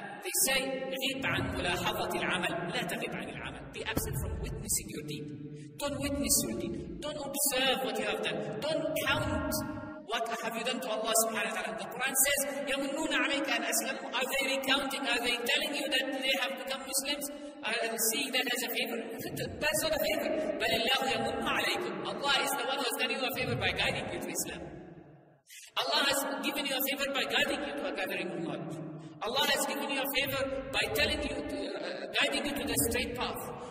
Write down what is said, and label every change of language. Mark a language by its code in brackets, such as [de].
[en] I say, [ar] غيب عن ملاحظة العمل. لا تغيب عن العمل. [en] Be absent from witnessing your deed. Don't witness your deed. Don't observe what you have done. Don't count what have you done to Allah subhanahu wa ta'ala. The Quran says, [ar] يَمُنُّونَ عَلَيْكَ أَنْ أَسْلَمُوا. [en] Are they recounting? Are they telling you that they have become Muslims? I'm seeing that as a favor. That's not a favor. [ar] بَلِ اللَّهُ يَمُنُّ عَلَيْكُمْ. [en] Allah is the one who has done you a favor by guiding you to Islam. Allah has given you a favor by guiding you to a gathering of knowledge. Allah has given you a favor by telling you, guiding you to the straight path.